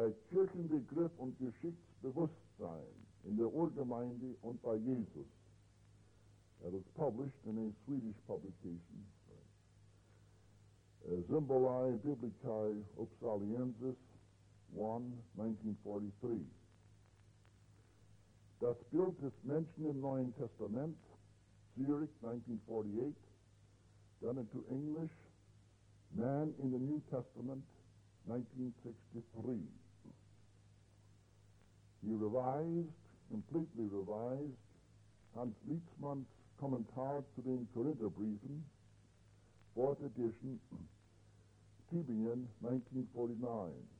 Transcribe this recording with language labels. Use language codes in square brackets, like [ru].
[de] Kirchenbegriff und Geschichtsbewusstsein in der Urgemeinde und bei Jesus. [en] That was published in a Swedish publication. [la] Symboli Biblicae Uppsaliensis, 1943. [de] Das Bild ist Menschen im Neuen Testament, Zurich, 1948. [en] Done into English, Man in the New Testament, 1963. He revised, completely revised, Hans Lietzmann's [de] Kommentar zu den Korintherbriefen, [en] 4th edition, Tübingen, 1949.